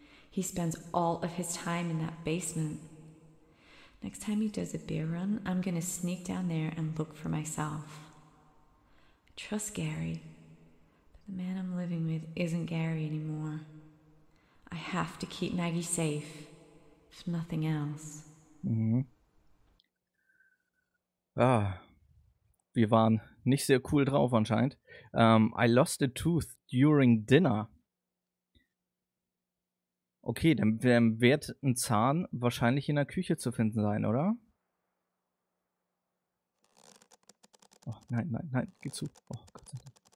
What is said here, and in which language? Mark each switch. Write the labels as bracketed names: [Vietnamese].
[English] He spends all of his time in that basement. Next time he does a beer run, I'm gonna sneak down there and look for myself. Trust Gary, but the man I'm living with isn't Gary anymore. I have to keep Maggie safe, if nothing else. [German] Ah, wir waren nicht sehr cool drauf anscheinend. [English] I lost a tooth during dinner. [German] Okay, dann wird ein Zahn wahrscheinlich in der Küche zu finden sein, oder? Oh, nein, nein, nein, geh zu. Oh, Gott sei Dank.